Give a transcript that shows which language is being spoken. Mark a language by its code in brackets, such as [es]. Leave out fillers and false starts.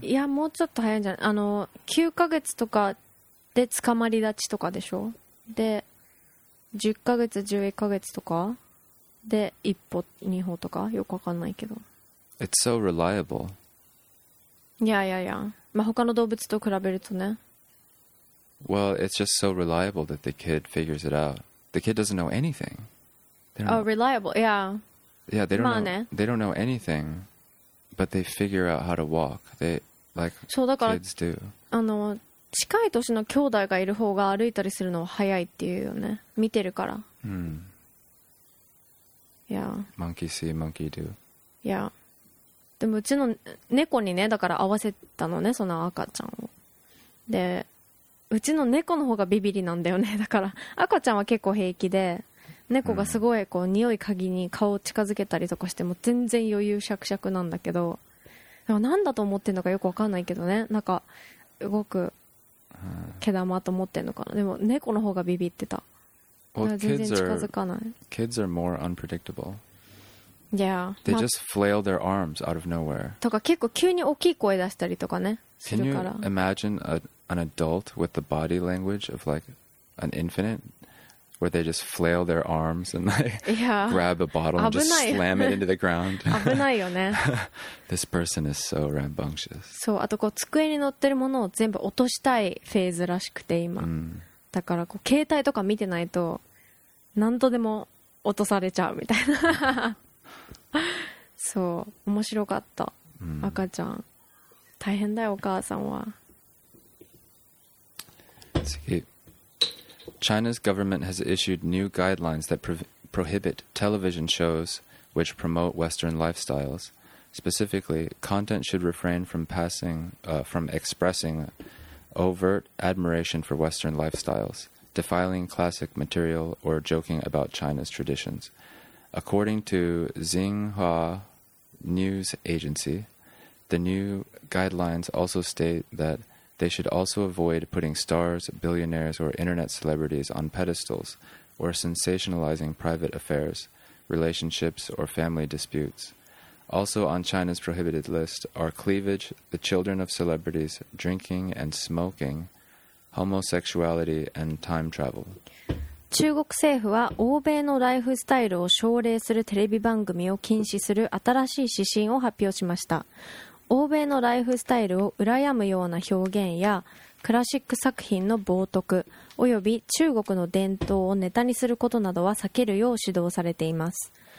[ja] Yeah, もうちょっと早いんじゃない？あの、9ヶ月とかで捕まり立ちとかでしょ？で、10ヶ月、11ヶ月とかで一歩、二歩とかよくわかんないけど。 [en] It's so reliable. Yeah, yeah, yeah. [ja] まあ他の動物と比べるとね。 [en] Well, it's just so reliable that the kid figures it out. The kid doesn't know anything. Reliable, yeah. Yeah, they don't know. They don't know anything, but they figure out how to walk. They like kids do. [ja] あの近い年の兄弟がいる方が歩いたりするのは早いっていうよね。見てるから。 [en] Yeah. Monkey see, monkey do. Yeah. [ja] でもうちの猫にね、だから合わせたのね、その赤ちゃんを。で、うちの猫の方がビビリなんだよね。だから赤ちゃんは結構平気で、猫がすごいこう匂い嗅ぎに顔を近づけたりとかしても全然余裕しゃくしゃくなんだけど、なんだと思ってんのかよくわかんないけどね、なんか動く毛玉と思ってんのかな。でも猫の方がビビってた。全然近づかない。 [en] Kids are more unpredictable. Yeah. They just flail their arms out of nowhere. [ja] とか結構急に大きい声出したりとかね。 [en] Can you imagine an adult with the body language of like an infant where they just flail their arms and like grab a bottle and just slam it into the ground? [ja] 危ないよね。 [en] This person is so rambunctious. [ja] そう、あとこう机に乗ってるものを全部落としたいフェーズらしくて今。だからこう携帯とか見てないと何度でも落とされちゃうみたいな。そう、面白かった、赤ちゃん大変だよ、お母さんは。次。 [en] China's government has issued new guidelines that prohibit television shows which promote Western lifestyles. Specifically, content should refrain from passing, from expressing overt admiration for Western lifestyles, defiling classic material, or joking about China's traditions. According to Xinhua News Agency, the new guidelines also state that they should also avoid putting stars, billionaires, or internet celebrities on pedestals or sensationalizing private affairs, relationships, or family disputes. Also on China's prohibited list are cleavage, the children of celebrities, drinking and smoking, homosexuality, and time travel. [ja] 中国政府は欧米のライフスタイルを奨励するテレビ番組を禁止する新しい指針を発表しました。欧米のライフスタイルを羨むような表現やクラシック作品の冒涜及び中国の伝統をネタにすることなどは避けるよう指導されています。